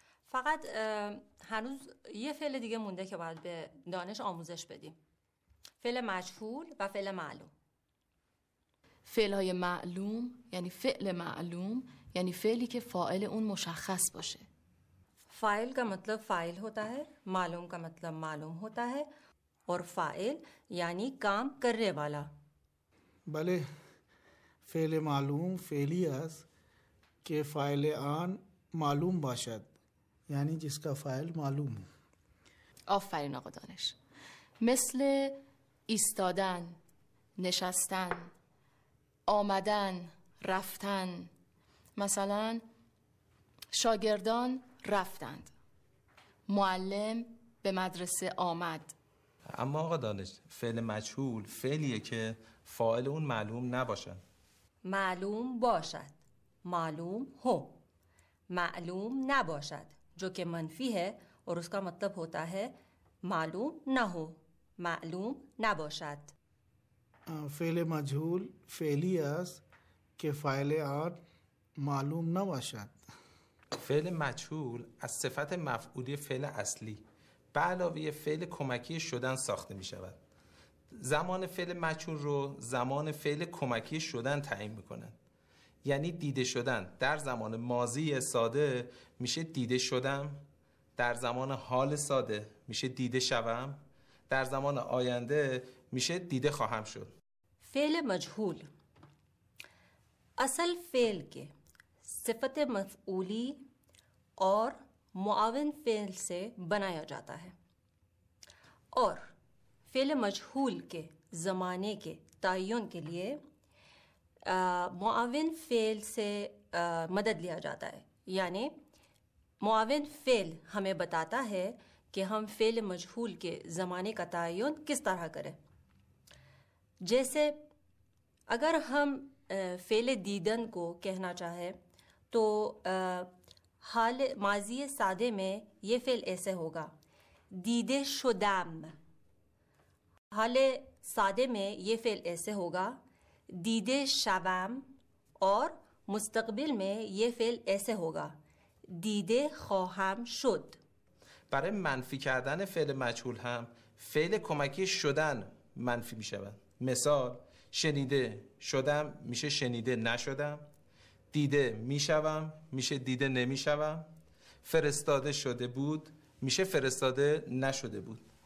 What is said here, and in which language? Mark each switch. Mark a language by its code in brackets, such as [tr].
[fa] فقط هنوز یه فعل دیگه مونده که باید به دانش آموزش بدیم. فعل مجهول و فعل معلوم. فعل‌های معلوم یعنی فعل معلوم، یعنی فعلی که فاعل اون مشخص باشه. [ur] فاعل کا مطلب فاعل ہوتا ہے، معلوم کا مطلب معلوم ہوتا ہے، اور فاعل یعنی کام کرنے والا. [fa] بله فعل معلوم فعلی است که فاعل آن معلوم باشد، یعنی [ur] جس کا فاعل معلوم. [fa] آفرین آقا دانش. مثل ایستادن، نشستن، آمدن، رفتن. مثلا شاگردان رفتند، معلم به مدرسه آمد. اما آقا دانش فعل مجهول فعلیه که فاعل اون معلوم نباشد. معلوم باشد، [ur] معلوم هو. [fa] معلوم نباشد [ur] جو که منفی ہے اور اس کا مطلب ہوتا ہے معلوم نہ ہو، معلوم نہ باشد. [fa] فعل مجهول فعلی است که فاعل آن معلوم نہ باشد. فعل مجهول از صفت مفعولی فعل اصلی به علاوه فعل کمکی شدن ساخته می شود. زمان فعل مجهول رو زمان فعل کمکی شدن تعیین می کنند. یعنی دیده شدن در زمان ماضی ساده میشه دیده شدم، در زمان حال ساده میشه دیده شوم، در زمان آینده میشه دیده خواهم شد. [ur] فعل مجهول اصل فعل که صفت مفعولی اور معاون فعل سے بنایا جاتا ہے، اور فعل مجهول کے زمانے کے تعین کے لیے معاون فعل سے مدد لیا جاتا ہے. یعنی معاون فعل ہمیں بتاتا ہے کہ ہم فعل مجهول کے زمانے کا تعین کس طرح کریں. جیسے اگر ہم فعل دیدن کو کہنا چاہیں تو حال ماضی سادے میں یہ فعل ایسے ہوگا دیدے شدم، حال سادے میں یہ فعل ایسے ہوگا دیدے شوم، اور مستقبل میں یہ فعل ایسے ہوگا دیدے خواهم شد. [fa] برای منفی کردن فعل مجهول هم فعل کمکی شدن منفی می شود. مثال شنیده شدم میشه شنیده نشدم، دیده میشوم میشه دیده نمیشوم، فرستاده شده بود میشه فرستاده نشده بود.